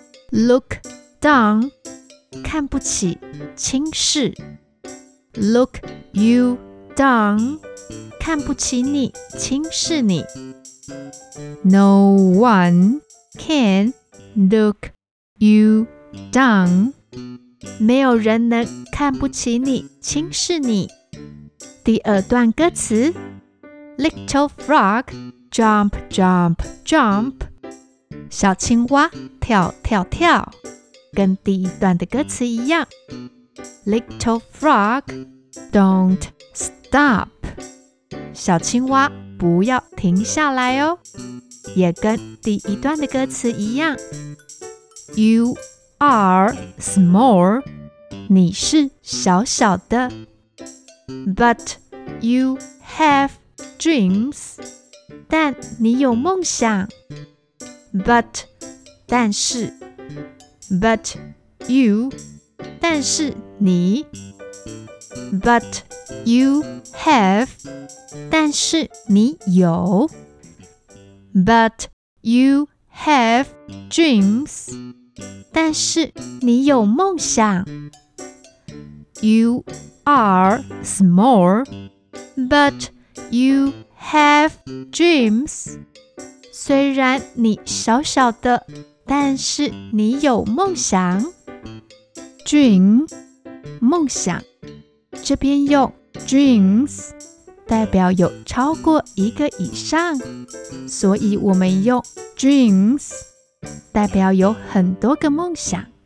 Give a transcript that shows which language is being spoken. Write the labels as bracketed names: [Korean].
[English] Look down [Chinese] 看不起轻视 [English] Look you down [Chinese] 看不起你轻视你 [English] No one can look you down. [Chinese] 没有人能看不起你，轻视你。第二段歌词 [English] Little frog, jump, jump, jump. [Chinese] 小青蛙跳跳跳，跟第一段的歌词一样。 [English] Little frog, don't stop. [Chinese] 小青蛙不要停下来哦，也跟第一段的歌词一样。 [English] You are small. [Chinese] 你是小小的。 [English] But you have dreams. [Chinese] 但你有梦想。 [English] But [Chinese] 但是。 [English] But you [Chinese] 但是你。 [English] But you have [Chinese] 但是你有。 [English] But you have dreams. [Chinese] 但是你有梦想。 [English] You are small, but you have dreams. [Chinese] 虽然你小小的，但是你有梦想。 [English] Dream, [Chinese] 梦想。这边用 dreams 代表有超过一个以上，所以我们用 dreams 代表有很多个梦想。